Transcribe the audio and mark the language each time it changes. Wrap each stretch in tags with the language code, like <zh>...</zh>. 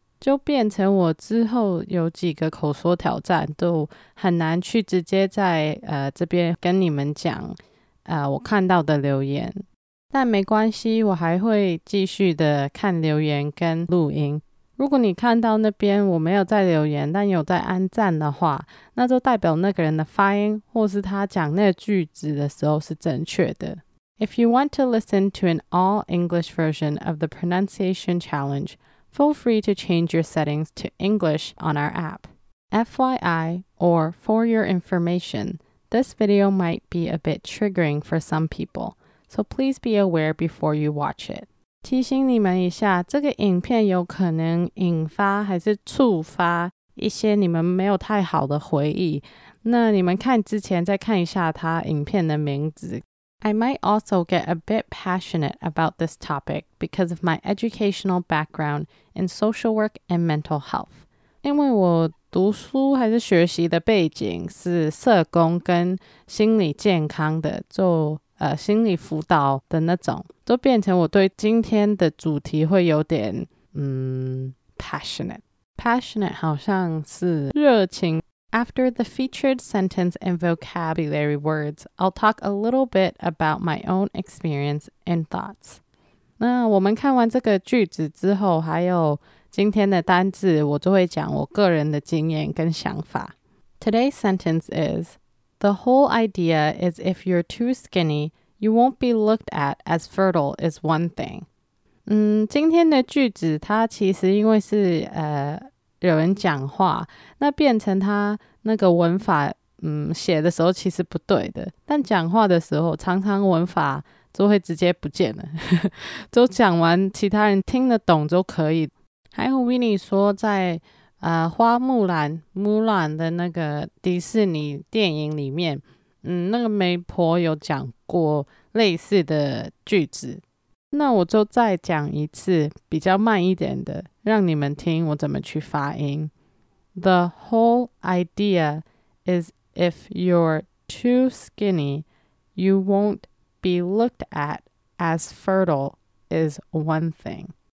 <zh>就变成我之后有几个口说挑战都很难去直接在这边跟你们讲我看到的留言，但没关系，我还会继续的看留言跟录音。如果你看到那边我没有在留言但有在按赞的话，那就代表那个人的发音或是他讲那个句子的时候是正确的。</zh> <en>If you want to listen to an all English version of the pronunciation challengeFeel free to change your settings to English on our app. FYI, or for your information, this video might be a bit triggering for some people, so please be aware before you watch it.</en> <zh>提醒你们一下，这个影片有可能引发还是触发一些你们没有太好的回忆，那你们看之前再看一下它影片的名字。</zh> <en>I might also get a bit passionate about this topic because of my educational background in social work and mental health.</en> <zh>因为我读书还是学习的背景是社工跟心理健康的，做心理辅导的那种，就变成我对今天的主题会有点passionate. Passionate 好像是热情。</zh> <en>After the featured sentence and vocabulary words, I'll talk a little bit about my own experience and thoughts.</en> <zh>那我们看完这个句子之后，还有今天的单字，我就会讲我个人的经验跟想法。</zh> <en>Today's sentence is, The whole idea is if you're too skinny, you won't be looked at as fertile is one thing.</en> <zh>今天的句子它其实因为是有人讲话，那变成他那个文法写的时候其实不对的，但讲话的时候常常文法就会直接不见了就讲完其他人听得懂就可以。还有 Winnie 说在花木兰 Mulan 的那个迪士尼电影里面那个媒婆有讲过类似的句子，那我就再讲一次比较慢一点的，让你们听我怎么去发音。</zh> <en>The whole idea is if you're too skinny, you won't be looked at as fertile is one thing.</en>